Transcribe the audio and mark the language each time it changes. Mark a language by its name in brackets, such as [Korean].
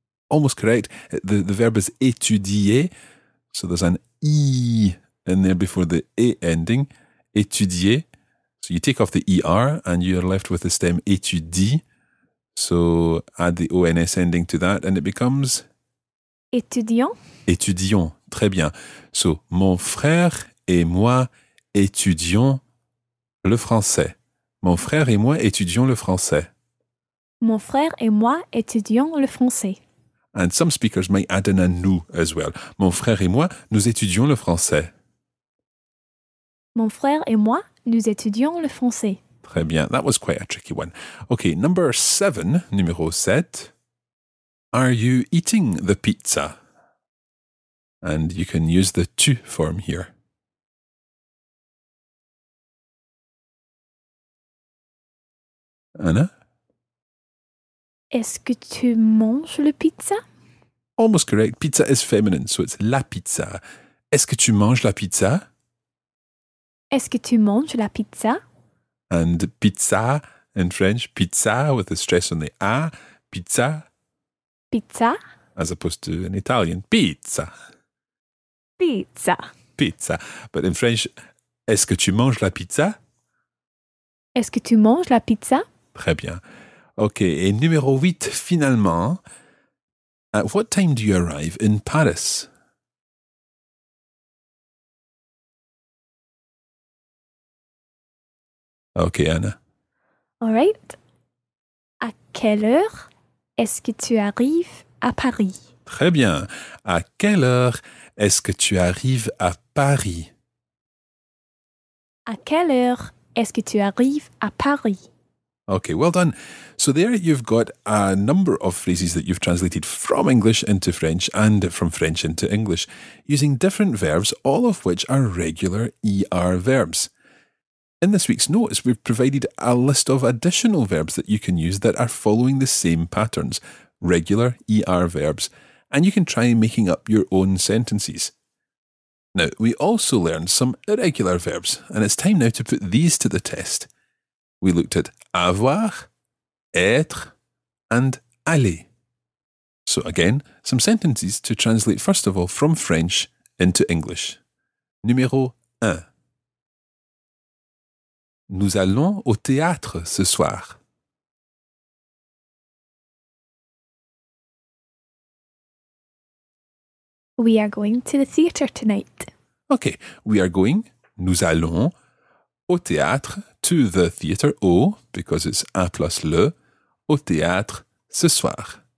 [English] Almost correct. The verb is étudier. So, there's an I in there before the E ending. Étudier. So you take off the ER and you're left with the stem étudie. So add the ONS ending to that and it becomes? [French] Étudiant. Étudiant. Très bien. So mon frère et moi étudions le français. Mon frère et moi étudions le français. Mon frère et moi étudions le français. [English] And some speakers might add in a nous as well. [French] Mon frère et moi, nous étudions le français. Mon frère et moi, nous étudions le français. Très bien. [English] That was quite a tricky one. Okay, number 7, [French] numéro 7. [English] Are you eating the pizza? And you can use the tu form here. Anna? [French] Est-ce que tu manges le pizza? [English] Almost correct. Pizza is feminine, so it's la pizza. [French] Est-ce que tu manges la pizza? Est-ce que tu manges la pizza? [English] And pizza in French, pizza with a stress on the A, pizza. [French] Pizza. [English] As opposed to in Italian, pizza. [Italian] Pizza. [French] Pizza. [English] But in French, [French] est-ce que tu manges la pizza? Est-ce que tu manges la pizza? Très bien. Okay, et numéro 8, finalement. [English] At what time do you arrive in Paris? Okay, Anna. All right. [French] À quelle heure est-ce que tu arrives à Paris? Très bien. À quelle heure est-ce que tu arrives à Paris? À quelle heure est-ce que tu arrives à Paris? [English] Okay, well done. So there you've got a number of phrases that you've translated from English into French and from French into English using different verbs, all of which are regular ER verbs. In this week's notes, we've provided a list of additional verbs that you can use that are following the same patterns, regular ER verbs, and you can try making up your own sentences. Now, we also learned some irregular verbs, and it's time now to put these to the test. We looked at avoir, être, and aller. So again, some sentences to translate first of all from French into English. [French] Numéro 1. Nous allons au théâtre ce soir. [English] We are going to the theatre tonight. OK. We are going. [French] Nous allons au théâtre, [English] to the theatre, [French] au, [English] because it's [French] un plus le, au théâtre ce soir.